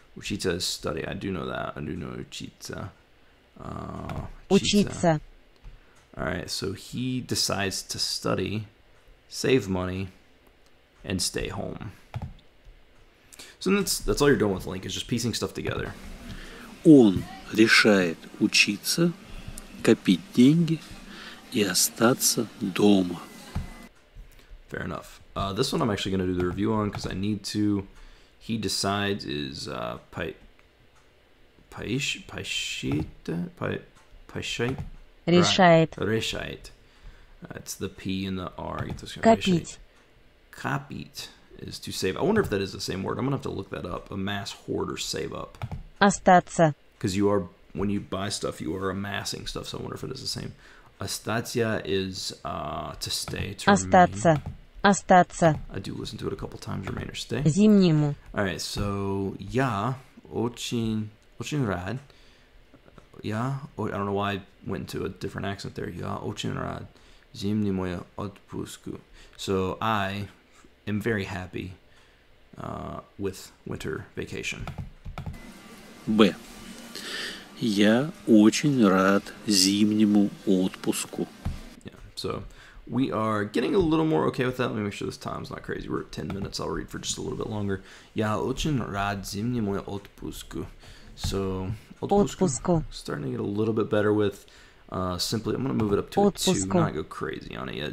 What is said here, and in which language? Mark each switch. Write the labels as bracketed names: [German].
[English] is study. I do know that. I do know [Russian] учиться. Учиться. [English] Alright, so he decides to study, save money, and stay home. So that's all you're doing with Link, is just piecing stuff together. [Russian] Он решает учиться, копить деньги... И остаться дома. [English] Fair enough. This one I'm actually going to do the review on because I need to. He decides is [Russian] решает. [English] Right. It's the P and the R. [Russian] Копить [English] is to save. I wonder if that is the same word. I'm going to have to look that up. Amass, hoard, or save up. [Russian] Остаться. [English] Because you are when you buy stuff, you are amassing stuff. So I wonder if it is the same. [Russian] Остаться [English] is to stay, to [Russian] остаться. [English] Remain. [Russian] Остаться. [English] I do listen to it a couple times, remain or stay. [Russian] Зимнему. [English] Alright, so [Russian] я очень рад. [English] Я, I don't know why I went into a different accent there. [Russian] Я очень рад. Зимнему отпуску. [English] So I am very happy with winter vacation. B. [Russian] Я очень рад зимнему отпуску. [English] Yeah, so we are getting a little more okay with that. Let me make sure this time's not crazy. We're at 10 minutes. I'll read for just a little bit longer. [Russian] Я очень рад зимнему отпуску. [English] So, [Russian] отпуску. [English] Starting to get a little bit better with simply, I'm going to move it up to отпуску. A 2, not go crazy on it yet.